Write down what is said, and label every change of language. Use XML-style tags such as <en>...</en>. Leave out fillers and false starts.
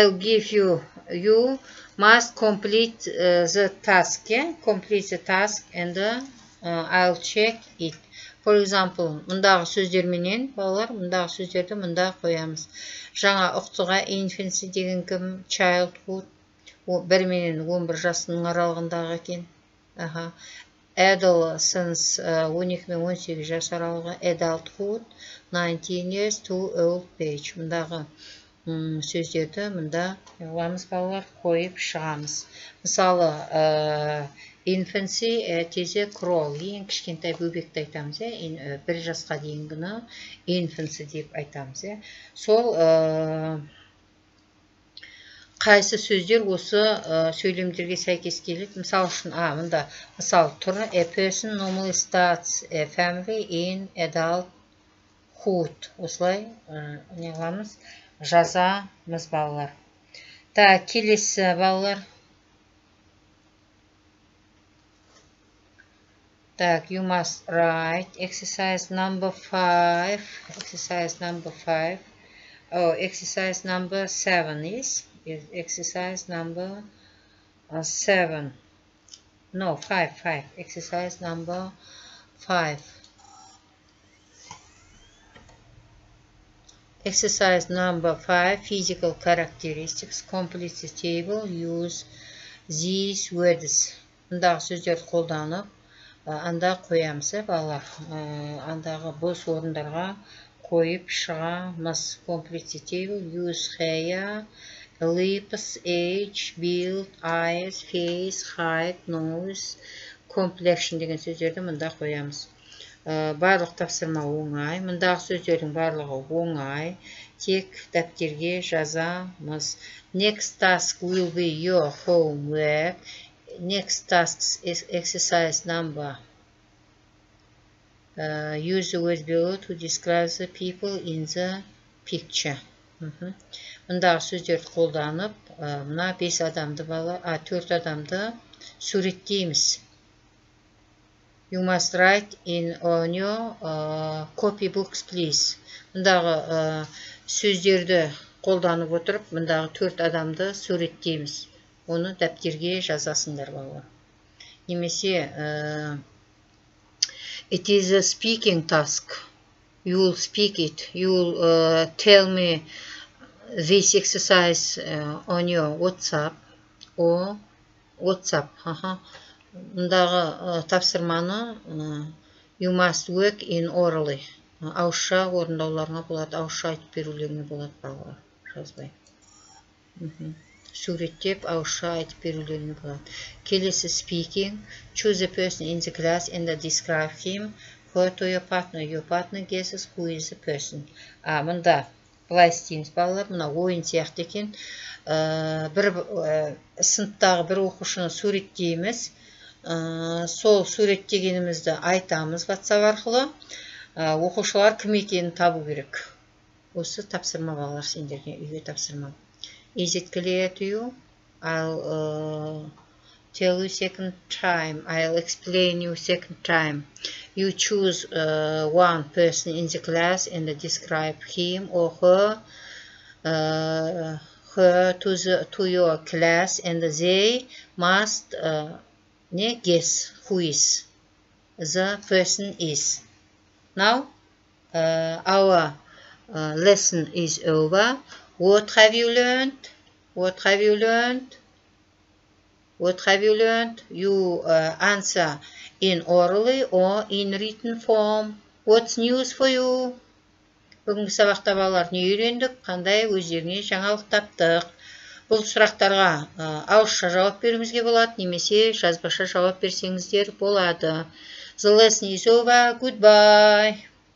<en>You must complete the task. Yeah? Complete the task and I'll check it. For example,</en> <kk>мындағы сөздерменен, балалар, мындағы сөздерді мында қоямыз. Жаңа ұқтыға infancy деген кім?</kk> <en>Childhood.</en> <kk>1 менен 11 жасының аралығындағы екен. Аха. Adolescence, 12 мен 18 жас аралығы.</kk> <en>Adulthood, 19 years to old age.</en> <kk>Мындағы сөздерді мында қоямыз, балалар, қойып шығамыз. Мысалы, infancy, тезе crawl, ең кішкентай бөбекті айтамыз, бір жасқа дейінгіні infancy деп айтамыз. Сол қайсы сөздер осы сөйлемдерге сәйкес келеді. Мысал үшін, мында мысал тұр,</kk> <en>a person normally starts a family in adulthood.</en> <kk>Осылай неғыламыз, жазамыз, балалар. Так, келесі, балалар.</kk> <en>Так, you must write exercise number 5, physical characteristics, complete the table, use these words.</en> <kk>Мындағы сөздерді қолданып, анда қоямыз, балалар, андағы бос орындарға қойып шығамыз.</kk> <en>Complete the table, use hair, lips, age, build, eyes, face, height, nose, complexion</en> <kk>деген сөздерді мында қоямыз. Барлық тапсырма оңай, мындағы сөздердің барлығы оңай, тек дәптерге жазамыз.</kk> <en>Next task will be your homework. Next task is exercise number. Use the words below to describe the people in the picture.</en> <kk>Мындағы сөздерді қолданып, мына 5 адамды, балалар, 4 адамды суреттейміз.</kk> <en>You must write in on your copy books, please.</en> <kk>Мындағы сөздерді қолданып отырып, мындағы 4 адамды суреттейміз. Оны дәптерге жазасыңдар, балалар. Немесе,</kk> <en>it is a speaking task. You will speak it. You will tell me this exercise on your WhatsApp. WhatsApp.</en> <kk>Мындағы тапсырманы</kk> <en>you must work in orally.</en> <kk>Ауызша орындауларыңа болады, ауызша айтып берулеріңе болады, балалар. Жазбай. Суреттеп, ауызша айтып берулеріңе болады. Келесі</kk> <en>speaking. Choose a person in the class and describe him. Who to your partner? Your partner guesses who is the person.</en> <kk>Мында былай істейміз, балалар. Мына ойын сияқты екен. Сыныптағы бір оқушыны суреттейміз. Сол суреттегенімізді айтамыз WhatsApp арқылы. Оқушылар кім екенін табу керек. Осы тапсырма балалар сендерге үйге тапсырма.</kk> <en>Is it clear to you? I'll tell you second time. I'll explain you second time. You choose one person in the class and describe him or her to your class and they must guess who is the person is. Now our lesson is over. What have you learned? You answer in orally or in written form. What's news for you?</en> <kk>Бүгінгі сабақта балалар не үйрендік, қандай өздеріне жаңалық таптық. Бұл сұрақтарға ауызша жауап беруіңізге болады, немесе жазбаша жауап берсеңіздер болады.</kk> <en>The lesson is over. Goodbye.</en>